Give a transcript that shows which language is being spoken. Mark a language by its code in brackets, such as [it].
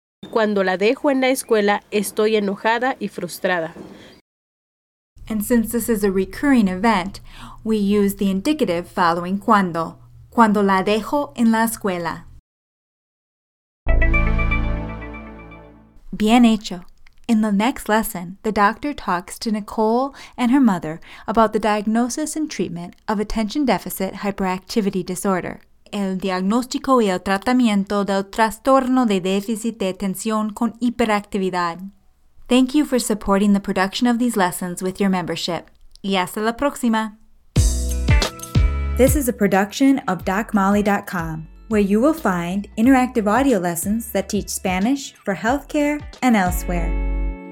[es] Cuando la dejo en la escuela, estoy enojada y frustrada. [en] And since this is a recurring event, we use the indicative following cuando. [es] Cuando la dejo en la escuela. Bien hecho. [en] In the next lesson, the doctor talks to Nicole and her mother about the diagnosis and treatment of attention deficit hyperactivity disorder. [es] El diagnóstico y el tratamiento del trastorno de déficit de atención con hiperactividad. [en] Thank you for supporting the production of these lessons with your membership. [es] Y hasta la próxima. [en] This is a production of DocMolly.com, where you will find interactive audio lessons that teach Spanish for healthcare and elsewhere.